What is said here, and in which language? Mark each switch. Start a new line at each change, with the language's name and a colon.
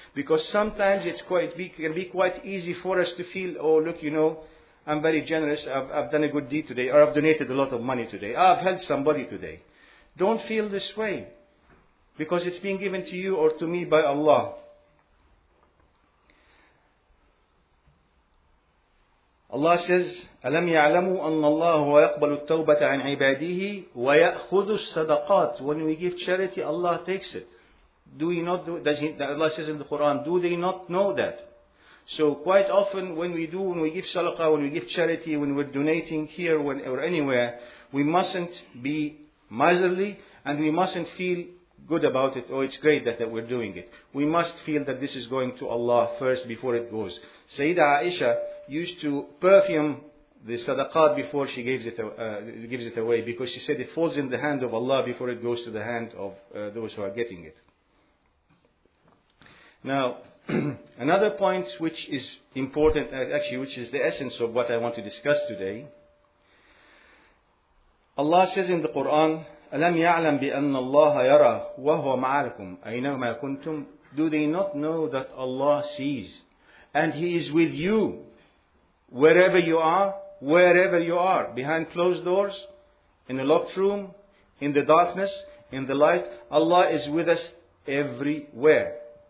English: Because sometimes it's can be quite easy for us to feel, oh look, you know, I'm very generous, I've done a good deed today, or I've donated a lot of money today, I've helped somebody today. Don't feel this way. Because it's being given to you or to me by Allah. Allah says,
Arabic: أَلَمْ يَعْلَمُوا أَنَّ اللَّهُ يَقْبَلُ التَّوْبَةَ عَنْ عِبَادِهِ وَيَأْخُذُ الصَّدَقَاتِ.
English: When we give charity, Allah takes it. Allah says in the Quran, do they not know that? So quite often when we give sadaqah, when we give charity, when we're donating here or anywhere, we mustn't be miserly and we mustn't feel good about it. Oh, it's great that we're doing it. We must feel that this is going to Allah first before it goes. Sayyidah Aisha used to perfume the sadaqat before she gives it away, because she said it falls in the hand of Allah before it goes to the hand of those who are getting it. Now, another point which is important, actually, which is the essence of what I want to discuss today. Allah says in the Quran,
Arabic: أَلَمْ يَعْلَمْ بِأَنَّ اللَّهَ يَرَى وَهُوَ مَعَلْكُمْ أَيْنَمَا كُنْتُمْ.
English: Do they not know that Allah sees and He is with you wherever you are, behind closed doors, in a locked room, in the darkness, in the light, Allah is with us everywhere.